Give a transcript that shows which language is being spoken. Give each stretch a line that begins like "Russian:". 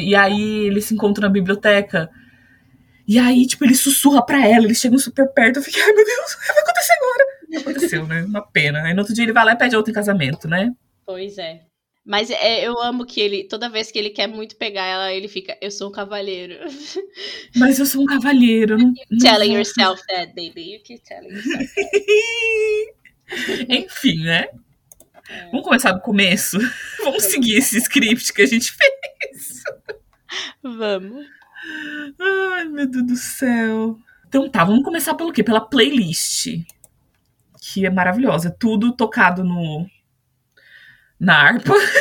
Portuguese: E aí ele se encontra na biblioteca. E aí, tipo, ele sussurra pra ela, eles chegam super perto. Eu fiquei, ai meu Deus, o que vai acontecer agora? E aconteceu, né? Uma pena. Aí no outro dia ele vai lá e pede outro em casamento, né? Pois é. Mas eu amo que ele, toda vez que ele quer muito pegar ela, ele fica, eu sou um cavalheiro. Mas eu sou um cavalheiro. Não,
English: telling yourself that, baby. You keep telling yourself.
Portuguese: Enfim, né? É. Vamos começar do começo? Vamos seguir esse script que a gente fez? Vamos. Ai, meu Deus do céu. Então tá, vamos começar pelo quê? Pela playlist. Que é maravilhosa. Tudo tocado no... Na harpa.